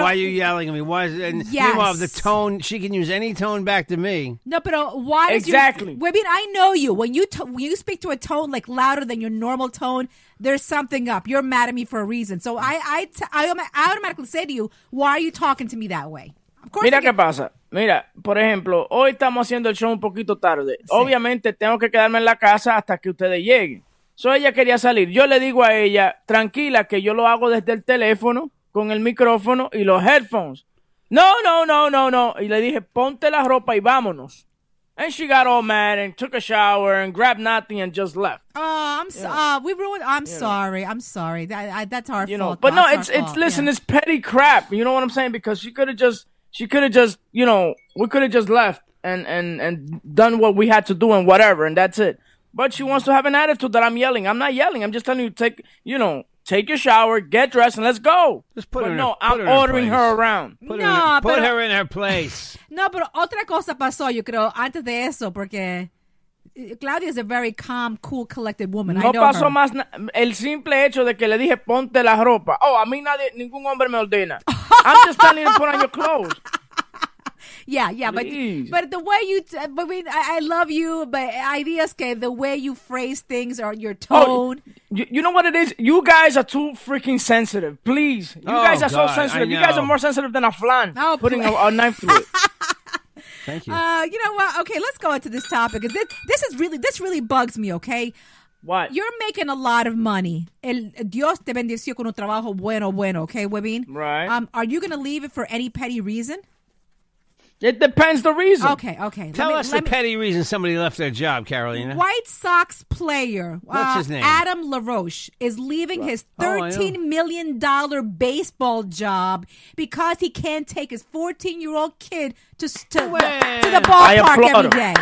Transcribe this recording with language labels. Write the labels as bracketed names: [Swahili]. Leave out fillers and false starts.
[English] Why are you yelling at me? Meanwhile, the tone, she can use any tone back to me. No, but why? Exactly. I know you. When you speak to a tone like louder than your normal tone, there's something up. You're mad at me for a reason. So I automatically say to you, why are you talking to me that way? Of course. [Spanish] Mira qué pasa. Mira, por ejemplo, hoy estamos haciendo el show un poquito tarde. Sí. Obviamente tengo que quedarme en la casa hasta que ustedes lleguen. So ella quería salir. Yo le digo a ella, tranquila, que yo lo hago desde el teléfono con el micrófono y los headphones. No. Y le dije, ponte la ropa y vámonos. [English] And she got all mad and took a shower and grabbed nothing and just left. I'm sorry. That's our fault. But no, it's petty crap. You know what I'm saying? Because we could have just left and done what we had to do and whatever, and that's it. But she wants to have an attitude that I'm yelling. I'm not yelling. I'm just telling you, take your shower, get dressed, and let's go. I'm ordering her around. Put her in her place. No, but [Spanish] otra cosa pasó, yo creo, antes de eso, porque [English] Claudia is a very calm, cool, collected woman. [Spanish] No [English] I know [Spanish] pasó [English] her. [Spanish] Más na- el simple hecho de que le dije, ponte la ropa. Oh, a mí nadie, ningún hombre me ordena. [English] I'm just telling you to put on your clothes. Yeah, but the way you, I love you, but [Spanish] ideas que [English] the way you phrase things or your tone. Oh, you know what it is? You guys are too freaking sensitive. Please. You guys are so sensitive. You guys are more sensitive than a flan putting a knife through it. Thank you. You know what? Okay, let's go into this topic. This really bugs me, okay? What? You're making a lot of money. [Spanish] Dios te bendició con un trabajo bueno, okay, Webin? [English] Right. Are you going to leave it for any petty reason? It depends the reason. Okay. Tell us the petty reason somebody left their job, Carolina. White Sox player. What's his name? Adam LaRoche is leaving his $13 million baseball job because he can't take his 14-year-old kid to the ballpark every day.